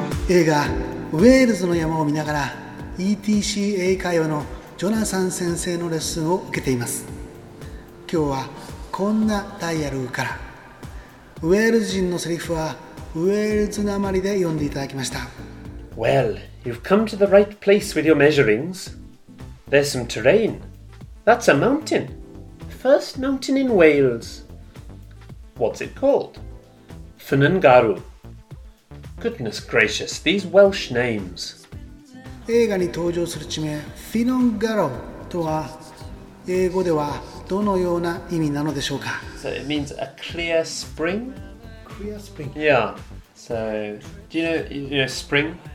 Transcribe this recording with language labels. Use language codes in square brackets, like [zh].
[ja] 映画ウェールズの山を見ながら ETC 英会話のジョナサン先生のレッスンを受けています。今日はこんなダイアログから、ウェールズ人のセリフはウェールズなまりで読んでいただきました。 [en] Well, you've come to the right place with your measurings. There's some terrain. That's a mountain. First mountain in Wales. What's it called? Ffynnon Garw. Goodness gracious, these Welsh names. [ja] 映画に登場する地名 Ffynnon Garw とは英語ではどのような意味なのでしょうか。 [en] So it means a clear spring? Spring. Yeah, so do you know spring?